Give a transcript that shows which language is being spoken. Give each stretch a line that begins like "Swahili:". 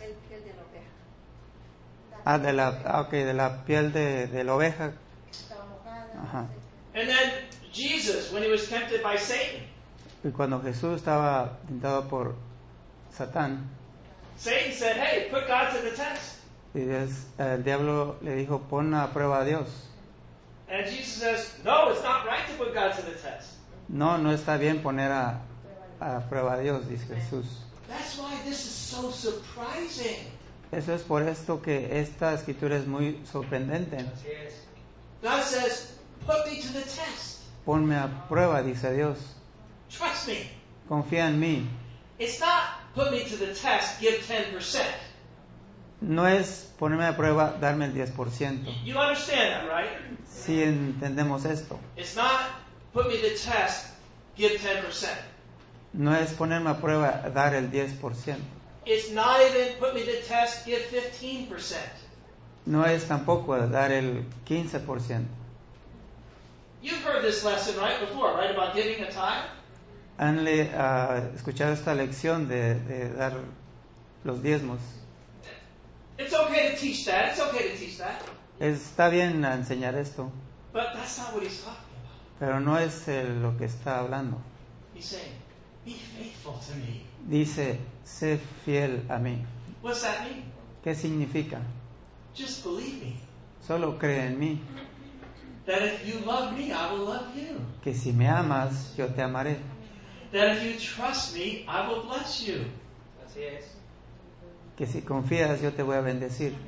Spanish: De la piel de la oveja. Ajá.
English: And then Jesus, when he was tempted by Satan.
Spanish: Y cuando Jesús estaba tentado por Satán.
English: Satan said, hey, put God to the test.
Spanish: Y Dios, el diablo le dijo, pon a prueba a Dios.
English: And Jesus says, no, it's not right to put God to the test.
Spanish: No, no está bien poner a prueba a Dios, dice Jesús.
English: That's why this is so surprising.
Spanish: Eso es por esto que esta escritura es muy sorprendente.
English: God says, put me to the test.
Spanish: Ponme a prueba, dice Dios.
English: Trust me.
Spanish: Confía en mí.
English: It's not put me to the test, give 10%.
Spanish: No es ponerme a prueba, darme el 10%.
English: You understand that, right?
Spanish: Sí, entendemos esto.
English: It's not put me to the test, give 10%.
Spanish: No es ponerme a prueba, dar el 10%.
English: It's not even put me to the test, give 15%.
Spanish: No es tampoco dar el 15%.
English: You've heard this lesson, right, before, right, about giving a tithe?
Spanish: ¿Han escuchado esta lección de dar los diezmos?
English: It's okay to teach that. It's okay to teach that.
Spanish: Está bien enseñar esto.
English: But that's not what he's talking about.
Spanish: Pero no es lo que está hablando.
English: He's saying, be faithful to me.
Spanish: Dice, sé fiel a mí.
English: What's that mean?
Spanish: ¿Qué significa?
English: Just believe me.
Spanish: Solo cree en mí.
English: That if you love me, I will love you.
Spanish: Que si me amas, yo te amaré.
English: That if you trust me, I will bless you.
Spanish: Así es. Que si confías, yo te voy a bendecir.